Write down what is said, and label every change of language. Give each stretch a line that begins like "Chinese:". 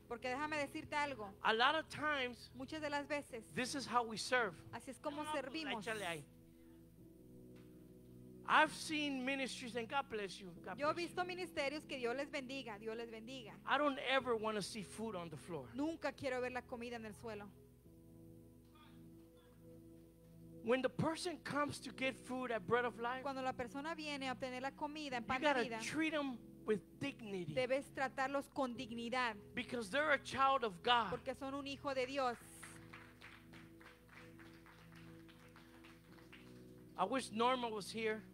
Spanish: Porque déjame decirte algo.
English: A lot of times,
Spanish: muchas de las veces,
English: this is how we serve.
Spanish: Así es como servimos. Échale ahí.
English: I've seen ministries and God bless you. God
Spanish: yo he visto ministerios que Dios les bendiga, Dios les bendiga.
English: I don't ever want to see food on the floor.
Spanish: Nunca quiero ver la comida en el suelo.
English: When the person comes to get food at Bread of Life,
Spanish: cuando la persona viene a obtener la comida en Pan de Vida,
English: you gotta treat them with dignity.
Spanish: Debes tratarlos con dignidad.
English: Because they're a child of God.
Spanish: Porque son un hijo de Dios.
English: I wish Norma was here.